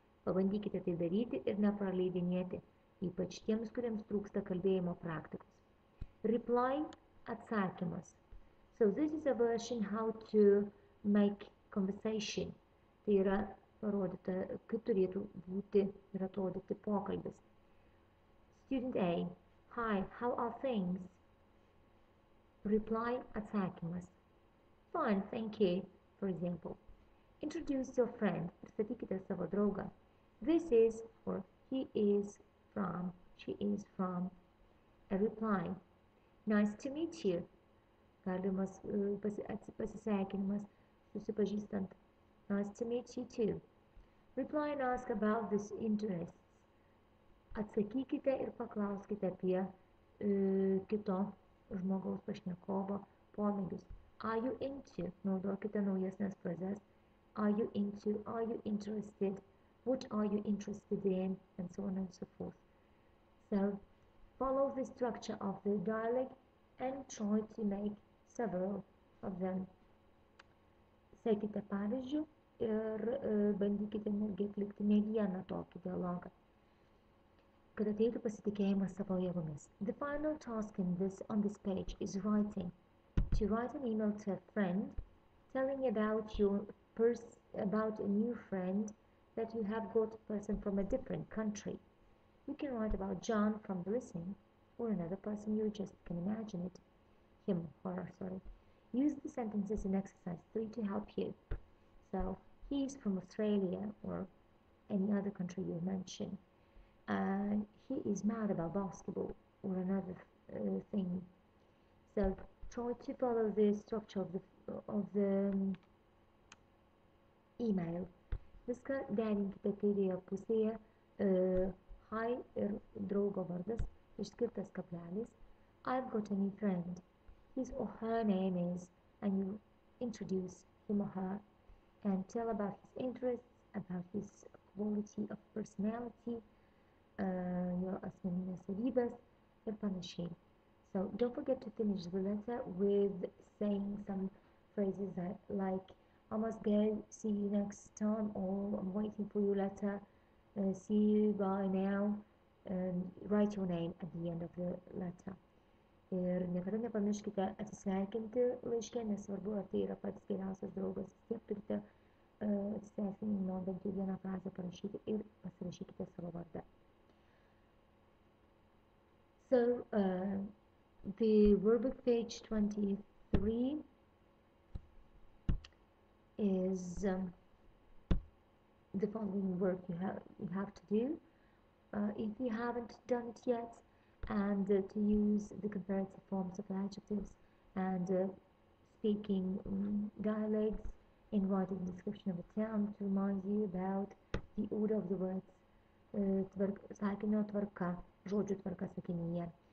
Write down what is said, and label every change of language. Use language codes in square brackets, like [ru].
[lt] Pabandykite tai daryti ir nepraleidinėti, ypač tiems, kuriems trūksta kalbėjimo praktikos. [en] Reply, atsakymas. So this is a version how to make conversation. [lt] Tai yra parodyta, kaip turėtų būti ir atrodyti pokalbis. [en] Student A. Hi, how are things? Reply, atsakymas. Fine, thank you, for example. Introduce your friend. [lt] Pristatykite savo draugą. [en] This is, or he is from, she is from. A reply. Nice to meet you. [lt] Galimas pasisveikinimas, susipažįstant. [en] Nice to meet you too. Reply and ask about this interests. [lt] Atsakykite ir paklauskite apie kito žmogaus pašnekovo pomėgius. [en] Are you into? [lt] Naudokite naujesnės frazes. [en] Are you into? Are you interested? What are you interested in? And so on and so forth. So, follow the structure of the dialogue and try to make several of them. [lt] Sekite pavyzdžių ir bandykite netgi atlikti ne vieną tokį dialogą, kad ateitų pasitikėjimas savo jėgomis. [en] The final task in this on this page is writing. To write an email to a friend telling about your about a new friend that you have got a person from a different country. You can write about John from the listening or another person, you just can imagine it. Him, or sorry. Use the sentences in exercise 3 to help you. So, he is from Australia or any other country you mention. He is mad about basketball or another thing. So, try to follow the structure of the email. [lt] Viską derinkite kairėje pusėje. Hi ir draugo vardas, išskirtas kablelis. [en] I've got a new friend. His or her name is, and you introduce him or her and tell about his interests, about his quality of personality, your [lt] asmeninės savybės ir panašiai. [en] So don't forget to finish the letter with saying some phrases that, like, I must go, see you next time, or I'm waiting for your letter, see you by now, and write your name at the end of the letter. [lt] Ir niekada nepamirškite atsisveikinti laiške, nesvarbu, ar tai yra pats geriausias draugas, vis tiek turite atsisveikinimo bent jau vieną frazę parašyti ir pasirašykite savo vardą. [en] So, the verb book page 23 is the following work you have to do. If you haven't done it yet, and to use the comparative forms of adjectives and speaking dialects in writing description of a term to remind you about the order of the words, [lt] sakinio tvarka, žodžių tvarka sakinyje.